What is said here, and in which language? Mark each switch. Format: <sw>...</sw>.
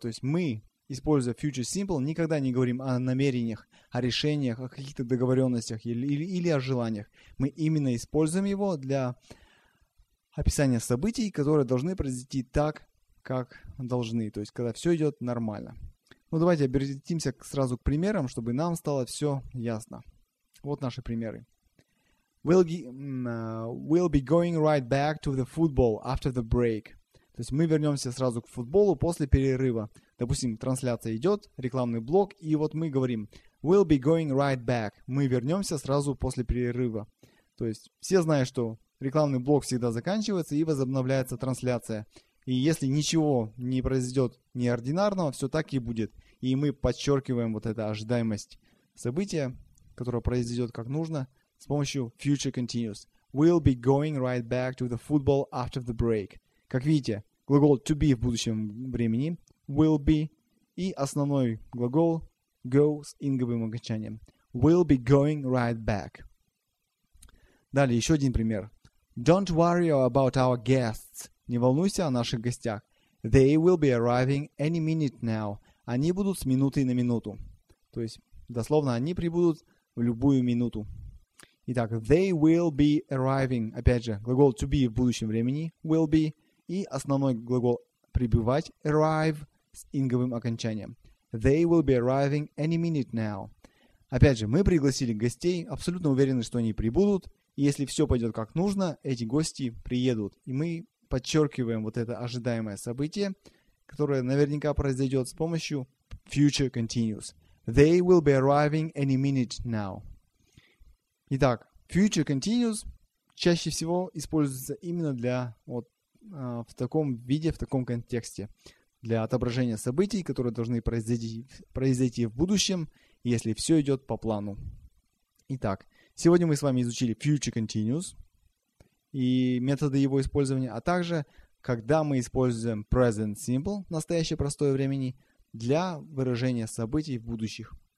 <ru>То есть мы, используя future simple, никогда не говорим о намерениях, о решениях, о каких-то договоренностях или о желаниях. Мы именно используем его для описания событий, которые должны произойти так, как должны. То есть когда все идет нормально. Ну давайте обратимся сразу к примерам, чтобы нам стало все ясно. Вот наши примеры.</ru> <en>We'll be going right back to the football after the break.</en> <ru>То есть мы вернемся сразу к футболу после перерыва. Допустим, трансляция идет, рекламный блок, и вот мы говорим</ru> <en>we'll be going right back.</en> <ru>Мы вернемся сразу после перерыва. То есть все знают, что рекламный блок всегда заканчивается и возобновляется трансляция. И если ничего не произойдет неординарного, все так и будет. И мы подчеркиваем вот эту ожидаемость события, которое произойдет как нужно, с помощью future continuous.</ru> <en>We'll be going right back to the football after the break.</en> <ru>Как видите, глагол to be в будущем времени, will be, и основной глагол go с инговым окончанием.</ru> <en>We'll be going right back.</en> <ru>Далее, еще один пример.</ru> <en>Don't worry about our guests.</en> <ru>Не волнуйся о наших гостях.</ru> <en>They will be arriving any minute now.</en> <ru>Они будут с минуты на минуту. То есть, дословно, они прибудут в любую минуту. Итак,</ru> <en>they will be arriving.</en> <ru>Опять же, глагол to be в будущем времени, will be. И основной глагол «прибывать» – «arrive» с инговым окончанием.</ru> <en>They will be arriving any minute now.</en> <ru>Опять же, мы пригласили гостей, абсолютно уверены, что они прибудут. И если все пойдет как нужно, эти гости приедут. И мы подчеркиваем вот это ожидаемое событие, которое наверняка произойдет с помощью future continuous.</ru> <en>They will be arriving any minute now.</en> <ru>Итак, future continuous чаще всего используется именно для вот в таком виде, в таком контексте, для отображения событий, которые должны произойти в будущем, если все идет по плану. Итак, сегодня мы с вами изучили future continuous и методы его использования, а также когда мы используем present simple, настоящее простое времени, для выражения событий в будущих.</ru>